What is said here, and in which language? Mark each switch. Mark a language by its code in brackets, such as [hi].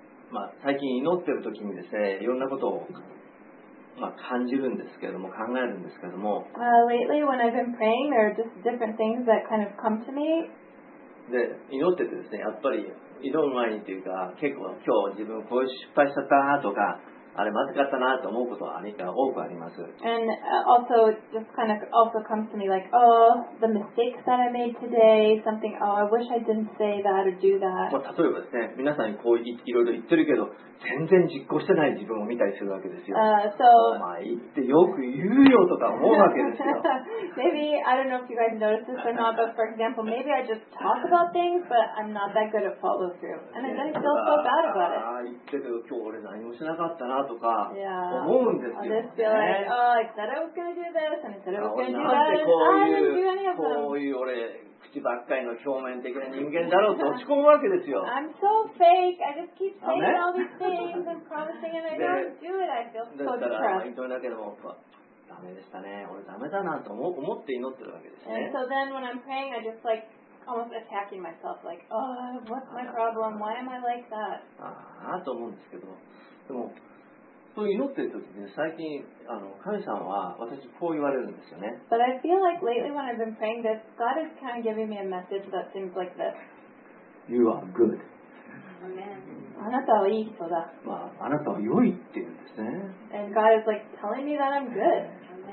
[ja] まあ、最近祈ってる時にですね、いろんなことを、まあ、感じるんですけれども、考えるんですけれども。 [en] Lately, when I've been praying, there are just different things that kind of come to me. [ja] で、祈っててですね、やっぱり、祈る前にというか、結構今日自分こういう失敗しちゃったなとか、あれまずかったなと思うことは何か多くあります。 [en] And also, just kind of also comes to me like, oh, the mistakes that I made today, something, oh, I wish I didn't say that or do that. [ja] まあ、例えばですね、皆さんにこういろいろ言ってるけど、全然実行してない自分を見たりするわけですよ。まあ、言ってよく言うよとか思うわけですよ。 [en] Maybe, I don't know if you guys noticed this or not, but for example, maybe I just talk about things, but I'm not that good at follow through. And then I feel so bad about it. [ja] 言ってるけど今日俺何もしなかったなとか思うんですよ。 [en] I'll just feel like, oh, I said I was going to do this, and I said I was going to do that, and I didn't do any of them. [ja] こういう俺口ばっかりの表面的な人間だろうと落ち込むわけですよ。 [en] I'm so fake. I just keep saying all these things and promising and I don't do it. I feel so depressed. [ja] だから、だけども、ダメでしたね。俺ダメだなと思って祈ってるわけですね。 [en] And so then when I'm praying, I just like almost attacking myself, like, oh, what's my problem? Why am I like that? [ja] ああと思うんですけど、でも、そう祈ってるときね、最近神さんは私こう言われるんですよね。 [en] But I feel like lately when I've been praying this, God is kind of giving me a message that seems like this. You are good. [ja] あなたはいい人だ。まああなたは良いって言うんですね。 [en] And God is like telling me that I'm good.